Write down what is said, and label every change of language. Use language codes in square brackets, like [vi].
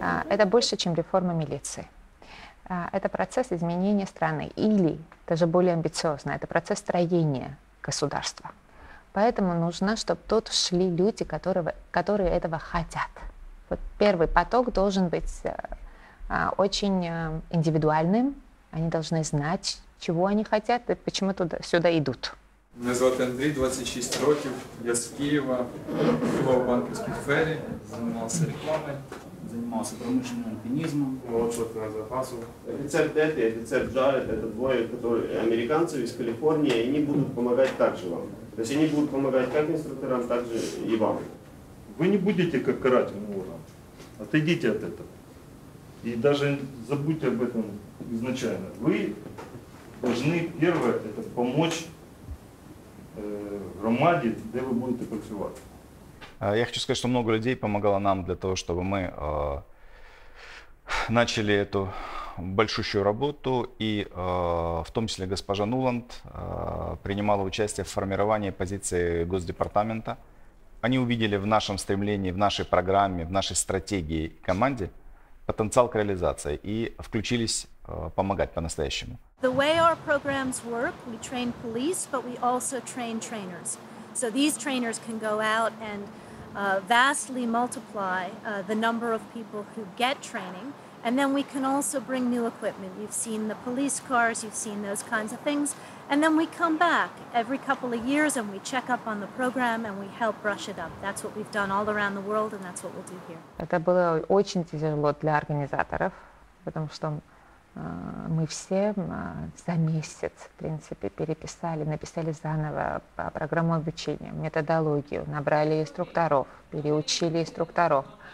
[ru] Это больше, чем реформа милиции. Это процесс изменения страны или, даже более амбициозно, это процесс строения государства. Поэтому нужно, чтобы тут шли люди, которые этого хотят. Вот первый поток должен быть очень индивидуальным. Они должны знать, чего они хотят и почему сюда идут. Меня зовут [uk] Андрій, 26 років, я з Києва, працював в банківській сфері, займався рекламою, займався промишленим альпінізмом. [ru] Отчет на запасу. [uk] Офіцер Дети, офіцер Джаред, це двоє американців із Каліфорнії, і вони будуть допомагати також вам. Тобто вони будуть допомагати як інструкторам, так же і вам. Ви не будете карати ворога, отойдіть від цього. І навіть забудьте об цьому ізначально. Ви повинні, перше, це допомогти громаде, [ru] где вы будете [uk] працювати. [ru] Я хочу сказать, что много людей помогало нам для того, чтобы мы начали эту большущую работу. И в том числе госпожа Нуланд принимала участие в формировании позиции Госдепартамента. Они увидели в нашем стремлении, в нашей программе, в нашей стратегии команде потенциал к реализации и включились помогать по-настоящему. [en] The way our programs work, we train police, but we also train trainers. So these trainers can go out and vastly multiply the number of people who get training, and then we can also bring new equipment. You've seen the police cars, you've seen those kinds of things, and then we come back every couple of years and we check up on the program and we help brush it up. That's what we've done all around the world, and that's what we'll do here. [ru] Это было очень тяжело для организаторов, потому что мы все за месяц, в принципе, написали заново программу обучения, методологию, набрали инструкторов, переучили инструкторов.